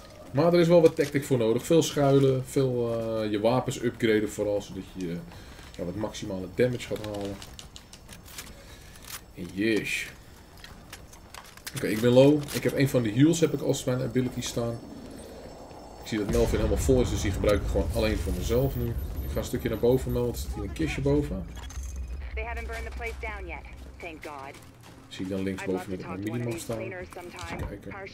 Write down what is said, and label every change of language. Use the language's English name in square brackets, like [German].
[Dutch] Maar er is wel wat tactic voor nodig. Veel schuilen, veel je wapens upgraden vooral, zodat je wat maximale damage gaat halen. En yes. Oké, ik ben low. Ik heb een van de heals heb ik als mijn ability staan. Ik zie dat Melvin helemaal vol is, dus die gebruik ik gewoon alleen voor mezelf nu. Ik ga een stukje naar boven, Mel. Er zit hier een kistje boven. [English] They haven't burned the place down yet, thank God. [Dutch] Zie ik dan linksboven met een minimum staan. Even kijken.